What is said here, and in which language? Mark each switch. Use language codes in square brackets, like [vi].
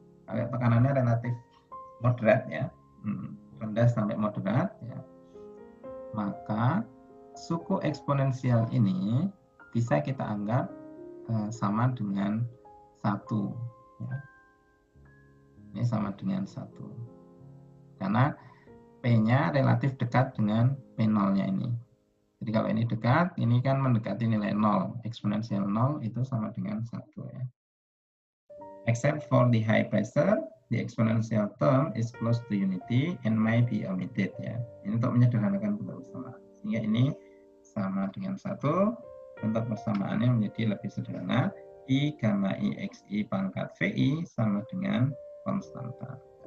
[id] Kalau tekanannya relatif moderat ya, rendah sampai moderat, ya, maka suku eksponensial ini bisa kita anggap sama dengan 1. Ya. Ini sama dengan 1. Karena P-nya relatif dekat dengan P0-nya ini. Jadi kalau ini dekat, ini kan mendekati nilai 0. Eksponensial 0 itu sama dengan 1 ya. [en] Except for the high pressure, the exponential term is close to unity and may be omitted ya. [id] Ini untuk menyederhanakan bentuk persamaan. Sehingga ini sama dengan 1. Bentuk persamaannya menjadi lebih sederhana. I gamma I x I pangkat VI sama dengan konstanta.